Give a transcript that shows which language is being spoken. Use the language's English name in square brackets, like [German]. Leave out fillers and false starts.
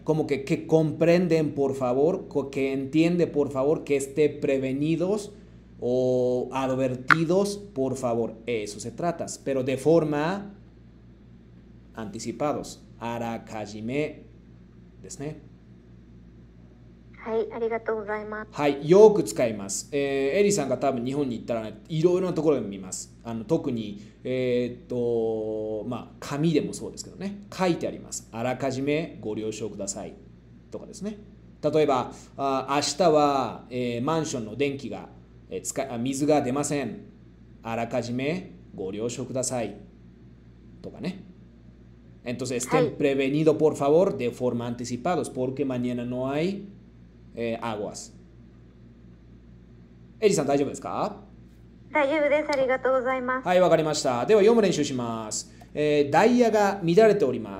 [Spanish] como que comprenden, por favor, que entiende, por favor, que esté prevenidos o advertidos, por favor. Eso se trata, pero de forma anticipados. あらかじめ [Japanese] ですね。はい、ありがとうございます。はい、よく使います。エリさんが多分日本に行ったらいろいろなところで見ます。特に、紙でもそうですけどね、書いてあります。あらかじめご了承くださいとかですね。例えば、明日は、マンションの電気が、水が出ません、あらかじめご了承くださいとかね。 [Spanish] Entonces, estén prevenido por favor de forma anticipada, porque mañana no hay aguas. Eri-san, ¿está bien? Está bien, gracias. Sí, lo entendí. Entonces, vamos a practicar. El dial está desordenado.